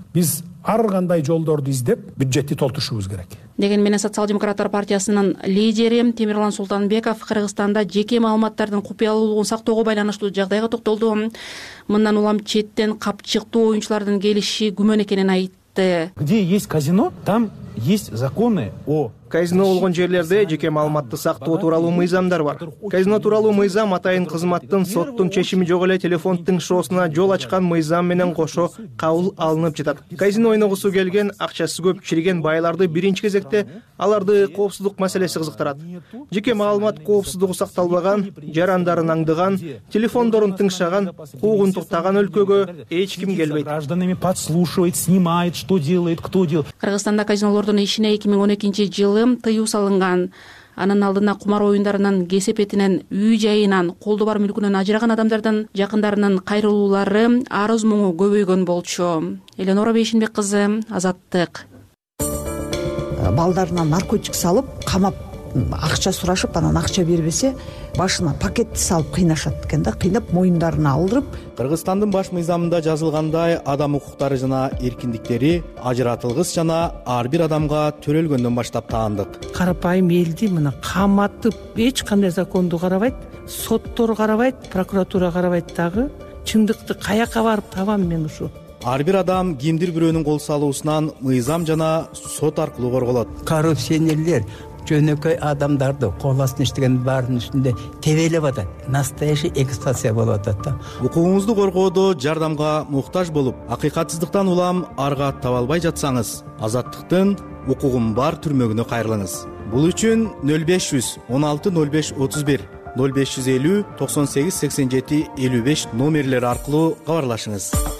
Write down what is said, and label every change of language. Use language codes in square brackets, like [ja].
[ky] Биз ар кандай жолдорду издеп, бюджетти толтурушубуз керек. Деген менен Социал-демократтар партиясынын лидери Темирлан Султанбеков Кыргызстанда жеке маалыматтардын купуялуулугун сактоого байланыштуу жагдайга токтолду. Мындан улам четтен капчыктуу оюнчулардын келиши күмөн экенин айтты. [ru] Где есть казино, там есть законы о [ky] казино болгон жерлерде жеке маалыматты сактоо тууралуу мыйзамдар бар. Казино тууралуу мыйзам атайын кызматтын соттун чечими жок эле телефон тыңшоосуна жол ачкан мыйзам менен кошо кабыл алынып жатат. Казино ойногусу келген, акчасы көп чириген байларды биринчи кезекте аларды коопсуздук маселеси кызыктырат. Жеке маалымат коопсуздугу сакталбаган, жарандарын аңдыган, телефондорун тыңшаган, куугунтуктаган өлкөгө эч ким келбейт. [ru] Гражданами подслушивает, снимает, что делает, кто делает. [ky] Кыргызстанда казинолордун ишине 2012 жылы тыюу салынган. Анын алдына кумар оюндарынын кесепетинен, үй жайынан, колду бар мүлкүнөн ажыраган адамдардын жакындарынын кайрылуулары арыз муңу көбөйгөн болчу. Эленора Бейшенбек кызы, Азаттык. Балдарына наркотик салып, камап акча сурашып, анан акча бербесе башына пакетти салып кыйнашат экен да, кыйнап моюндарына алдырып. Кыргызстандын баш мыйзамында жазылгандай, адам укуктары жана эркиндиктери ажыратылгыс жана ар бир адамга төрөлгөндөн баштап таандык. Карапайым элди мына каматып, эч кандай законду карабайт, соттор карабайт, прокуратура карабайт дагы. Чындыкты каяка барып табам мен ушу? Ар бир адам кимдир бирөөнүн кол салуусунан мыйзам жана сот аркылуу корголот. Коррупционерлер жөнөкөй адамдарды кол астына иштегендин баарынын үстүндө тебелеп атат. [ru] Настоящий эксплуатация [ky] болуп атат да. Укугуңузду коргоодо жардамга муктаж болуп, акыйкатсыздыктан улам арга таба албай жатсаңыз, Азаттыктын укугум бар түрмөгүнө кайрылыңыз. Бул үчүн 0500 16 05 31, 0550 98 87 55 номерлери аркылуу кабарлашыңыз.